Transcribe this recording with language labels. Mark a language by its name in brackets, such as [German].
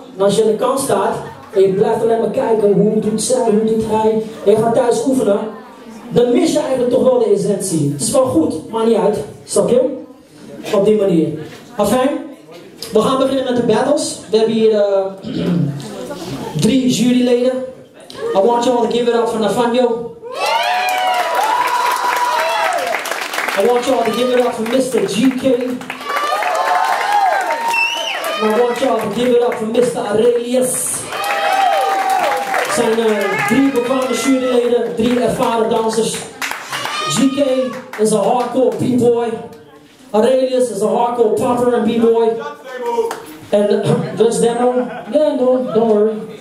[Dutch] En als je aan de kant staat en je blijft alleen maar kijken hoe doet zij, hoe doet hij. En je gaat thuis oefenen. Dan mis je eigenlijk toch wel de essentie. Het is wel goed, maar niet uit. Snap je? Op die manier. Afijn, we gaan beginnen met de battles. We hebben hier 3 juryleden. [English] I want you all to give it up for Nathaniel. I want y'all to give it up for Mr. GK. I want y'all to give it up for Mr. Aurelius. [Dutch] Het zijn 3 bekwame juryleden, 3 ervaren dansers. GK is een hardcore b-boy. Aurelius is een hardcore popper en b-boy. En dus [English] Demo, yeah, no, don't worry.